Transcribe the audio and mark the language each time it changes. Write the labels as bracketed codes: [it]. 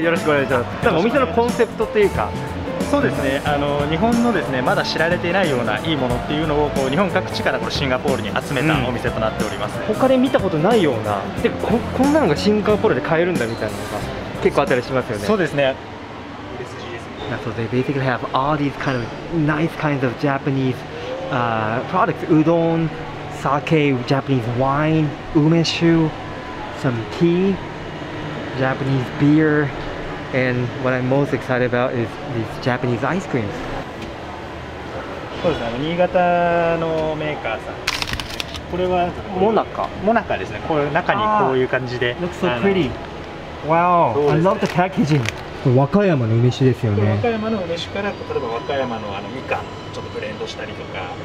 [ja] よろしくお願いします。多分お店のコンセプトというか。そうですね、日本のですね、まだ知られていないようないいものっていうのをこう日本各地からこうシンガポールに集めたお店となっております。うん、他で見たことないような、で、こんなのがシンガポールで買えるんだみたいなのが結構あったりしますよね。そうですね。 [en] So they basically have all these kind of nice kinds of Japanese products, udon,Sake, Japanese wine, umeshu, some tea, Japanese beer, and what I'm most excited about is these Japanese ice creams. [ja] そうですね、新潟のメーカーさん。これはモナカ。モナカですね。これ中にこういう感じで。 [en] Looks so pretty. Wow, I love the packaging. [ja] 和歌山の梅酒ですよね。和歌山の梅酒から例えば和歌山のあのみかんちょっとブレンドしたりとか。